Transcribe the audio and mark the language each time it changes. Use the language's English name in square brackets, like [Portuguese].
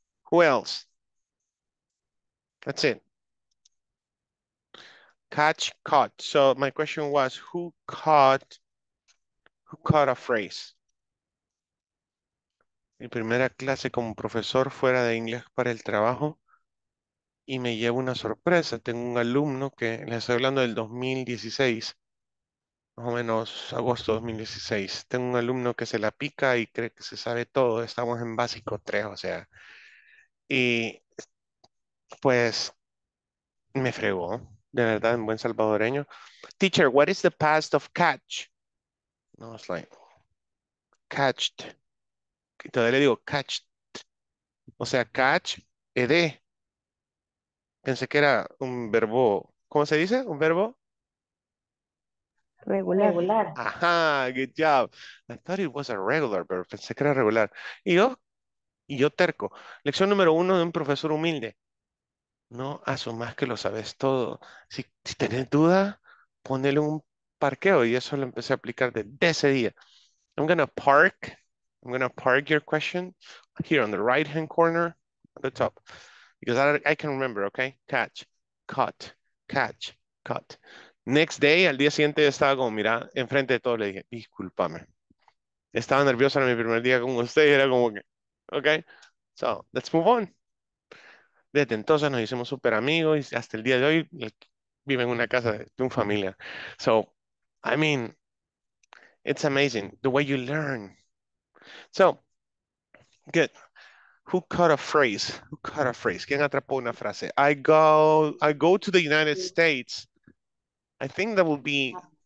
[English] Who else? That's it. Catch, caught. So my question was, who caught a phrase? [Spanish] Mi primera clase como profesor fuera de inglés para el trabajo y me llevo una sorpresa. Tengo un alumno que les estoy hablando del 2016. Más o menos agosto 2016. Tengo un alumno que se la pica y cree que se sabe todo. Estamos en básico 3, o sea. Y pues me fregó, de verdad, en buen salvadoreño. [English] Teacher, what is the past of catch? No, it's like, catched. [Spanish] Y todavía le digo, catched. O sea, catch, ed. Pensé que era un verbo, ¿cómo se dice? ¿Un verbo? Regular. [English] Ajá, good job. I thought it was a regular, [Spanish] pero pensé que era regular. Y yo terco. Lección número uno de un profesor humilde. No asumas que lo sabes todo. Si tenés duda, ponele un parqueo. Y eso lo empecé a aplicar desde ese día. [English] I'm gonna park your question here on the right-hand corner at the top. Because I can remember, okay? Catch, cut, catch, cut. Next day, [Spanish] al día siguiente, estaba como, mira, enfrente de todo, le dije, discúlpame. Estaba nerviosa en mi primer día con usted y era como que, [English] okay, so let's move on. [Spanish] Desde entonces nos hicimos super amigos y hasta el día de hoy vive en una casa de un familia. [English] So, I mean, it's amazing the way you learn. So, good. Who caught a phrase? [Spanish] ¿Quién atrapó una frase? [English] I go to the United States. I think that would be...